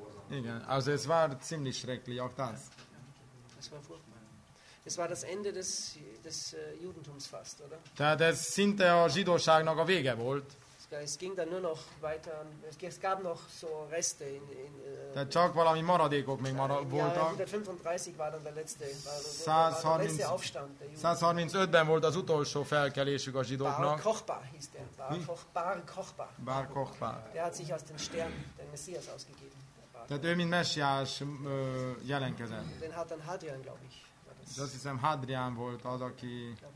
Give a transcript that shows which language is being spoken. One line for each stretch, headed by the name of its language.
Hungarian: Igen,
German: also es war ziemlich schrecklich, auch das. Es war furchtbar. Es war das Ende des Judentums fast, oder?
Hungarian: Tehát ez szinte a zsidóságnak a vége volt.
German: Es ging dann nur noch weiter, es gab noch so Reste in
Hungarian: tehát csak valami maradékok még voltak.
German: 135 war dann der letzte, war der letzte Aufstand der Juden.
Hungarian: 135-ben volt az utolsó felkelésük a zsidóknak.
German: Bar Kochba hieß der, Bar Kochba. Bar Kochba. Der hat sich aus dem Stern, den Messias, ausgegeben.
Hungarian: Tehát ő, mint messiás, jelenkezett.
German: Den hat dann Hadrian, glaube ich. Das ist ein
Hungarian: Hadrian volt az, aki